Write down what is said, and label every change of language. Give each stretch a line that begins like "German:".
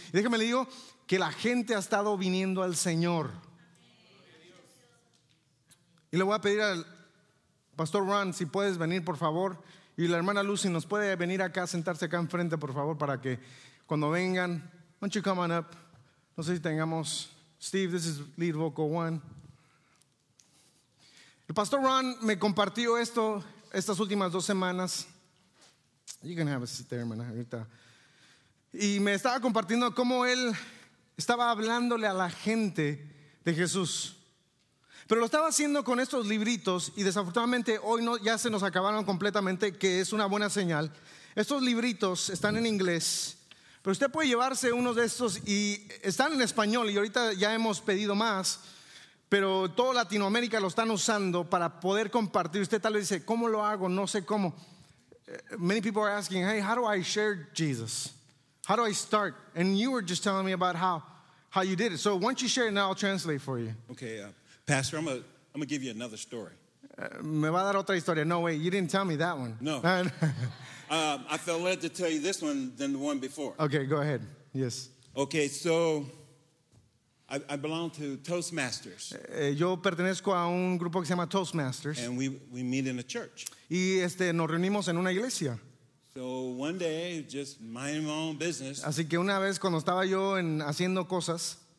Spanish: Y déjeme le digo que la gente ha estado viniendo al Señor. Y le voy a pedir al Pastor Ron, si puedes venir, por favor. Y la hermana Lucy, ¿nos puede venir acá, sentarse acá enfrente, por favor, para que cuando vengan,
English: won't you come on up?
Spanish: No sé si tengamos,
English: Steve, this is lead vocal one.
Spanish: El pastor Ron me compartió esto estas últimas dos semanas.
English: You can have a seat there, hermana, ahorita.
Spanish: Y me estaba compartiendo cómo él estaba hablándole a la gente de Jesús. Pero lo estaba haciendo con estos libritos, y desafortunadamente hoy no, ya se nos acabaron completamente, que es una buena señal. Estos libritos están en inglés, pero usted puede llevarse uno de estos, y están en español, y ahorita ya hemos pedido más, pero toda Latinoamérica lo están usando para poder compartir. Usted tal vez dice: ¿cómo lo hago? No sé cómo.
English: many people are asking, hey, how do I share Jesus? How do I start? And you were just telling me about how you did it. So why don't you share it now? I'll translate for you. Okay, Pastor, I'm gonna give you another story.
Spanish: Me va a dar otra historia.
English: No, wait, you didn't tell me that one. No. I felt led to tell you this one than the one before. Okay, go ahead. Yes. Okay, so I belong to Toastmasters.
Spanish: Yo pertenezco a un grupo que se llama Toastmasters.
English: And we meet in a church.
Spanish: Y nos reunimos en una iglesia.
English: So one day, just minding my own business.
Spanish: Así que una vez cuando estaba yo en haciendo cosas.